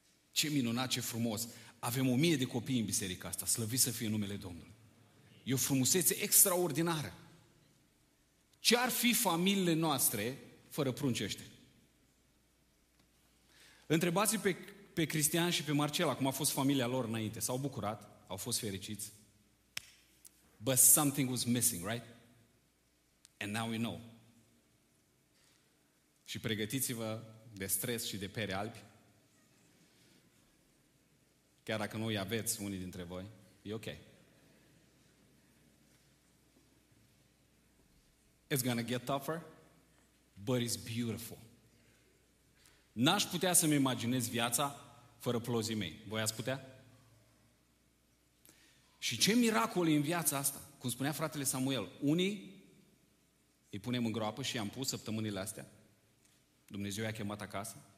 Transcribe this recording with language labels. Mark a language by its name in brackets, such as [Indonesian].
[Romanian] Ce minunat, ce frumos. Avem 1000 de copii în biserica asta, slăviți să fie numele Domnului. E o frumusețe extraordinară. Ce ar fi familiile noastre fără prunci ăștia? Întrebați pe Cristian și pe Marcela cum a fost familia lor înainte. S-au bucurat, au fost fericiți. [English] But something was missing, right? And now we know. [Romanian] Și pregătiți-vă de stres și de pere albi. Chiar dacă nu îi aveți, unii dintre voi, e ok. [English] It's gonna get tougher, but it's beautiful. [Romanian] N-aș putea să-mi imaginez viața fără plozii mei. Voi ați putea? Și ce miracol e în viața asta? Cum spunea fratele Samuel, unii îi punem în groapă și i-am pus săptămânile astea. Dumnezeu i-a chemat acasă.